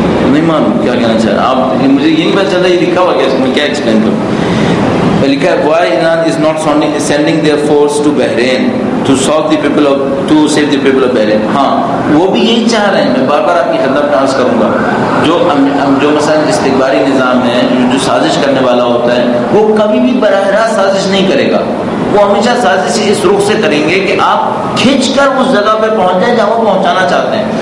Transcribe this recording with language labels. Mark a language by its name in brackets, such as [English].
[Urdu] نہیں مانو کیا کہنا چاہ رہا آپ, مجھے یہی پتا چلا یہ لکھا ہوا کیا, اس میں کیا ایکسپلین کروں. لکھا ہے [English] why Iran is not sending their force to Bahrain to save the people of Bahrain. [Urdu] ہاں وہ بھی یہی چاہ رہے ہیں. میں بار بار آپ کی خدمت میں عرض کروں گا, جو مثلا استکباری نظام ہے جو سازش کرنے والا ہوتا ہے وہ کبھی بھی براہ راست سازش نہیں کرے گا, وہ ہمیشہ سازش اس رخ سے کریں گے کہ آپ کھینچ کر اس جگہ پہ پہنچ جائیں جہاں وہ پہنچانا چاہتے ہیں.